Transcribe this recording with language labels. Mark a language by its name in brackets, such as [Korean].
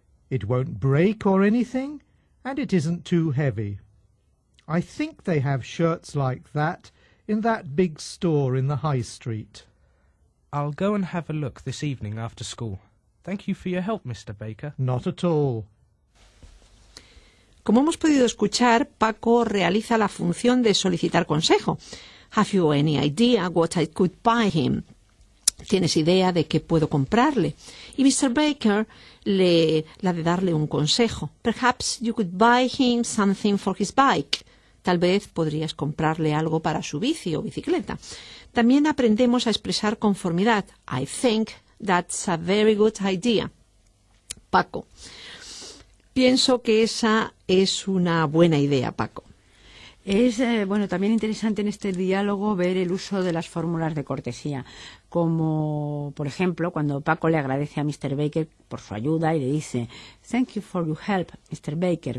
[English] It won't break or anything, and it isn't too heavy. I think they have shirts like that in that big store in the High Street. I'll go and have a look this evening after school. Thank you for your help, Mr. Baker. Not at all. [Spanish] Como hemos podido escuchar, Paco realiza la función de solicitar consejo. [English] Have you any idea what I could buy him? [Spanish] ¿Tienes idea de qué puedo comprarle? Y Mr. Baker le la de darle un consejo. [English] Perhaps you could buy him something for his bike. [Spanish] Tal vez podrías comprarle algo para su bici o bicicleta. También aprendemos a expresar conformidad. [English] I think that's a very good idea. Paco. [Spanish] Pienso que esa es una buena idea, Paco. Es bueno, también interesante en este diálogo ver el uso de las fórmulas de cortesía. Como, por ejemplo, cuando Paco le agradece a Mr. Baker por su ayuda y le dice [English] Thank you for your help, Mr. Baker.